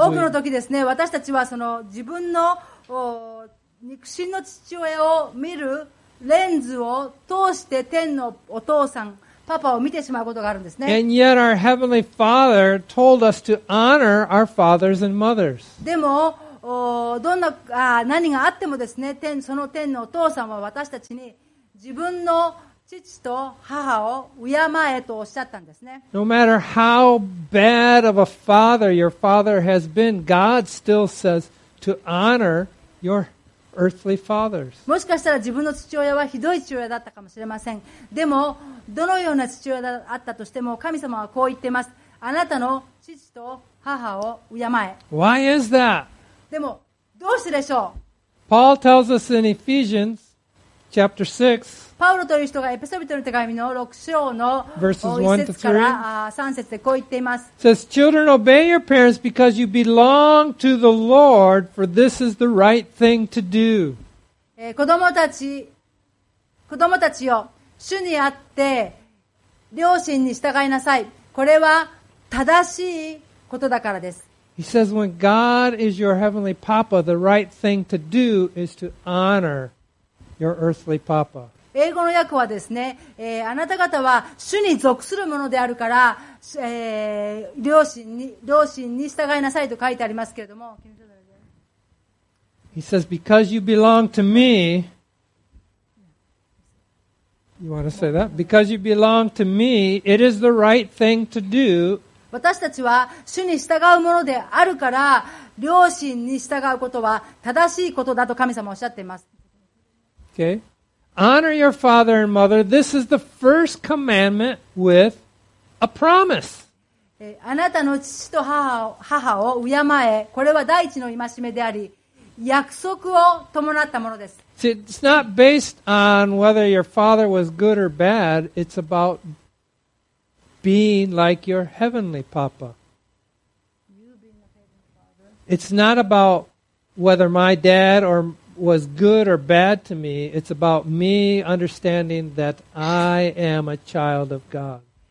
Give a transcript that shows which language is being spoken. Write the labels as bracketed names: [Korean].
[Japanese] 多くの時ですね、私たちはその自分の肉親の父親を見るレンズを通して天のお父さん、パパを見てしまうことがあるんですね。 [English] And yet our heavenly father told us to honor our fathers and mothers. [Japanese] でも、何があってもですね、その天のお父さんは私たちに自分の父と母を敬えとおっしゃったんですね。 [English] No matter how bad of a father your father has been, God still says to honor your fathersEarthly fathers. [Japanese] もしかしたら自分の父親はひどい父親だったかもしれません。でもどのような父親だったとしても神様はこう言っています。あなたの父と母を敬え。 [English] Why is that? [Japanese] でもどうしてでしょう。 [English] Paul tells us in Ephesians chapter 6, [Japanese] パウロという人がエペソ人の手紙の6章の [English] verses [Japanese] 1 to 3, 3節でこう言っています。 [English] says, Children, obey your parents because you belong to the Lord, for this is the right thing to do. [Japanese] 子供たちよ、主にあって両親に従いなさい。これは正しいことだからです。 [English] He says, when God is your heavenly Papa, the right thing to do is to honor your earthly Papa. [Japanese] 英語の訳はですね、あなた方は主に属するものであるから、両親に従いなさいと書いてありますけれども。 [English] He says, because you belong to me, you want to say that? Because you belong to me, it is the right thing to do. [Japanese] 私たちは主に従うものであるから、両親に従うことは正しいことだと神様はおっしゃっています。 [English] Okay. Honor your father and mother. This is the first commandment with a promise. [Japanese] あなたの父と母を敬え。これは第一の戒めであり、約束を伴ったものです。 [English] It's not based on whether your father was good or bad. It's about being like your heavenly papa. It's not about whether my dad orWas good or bad to me, it's about me understanding that I am a child of God.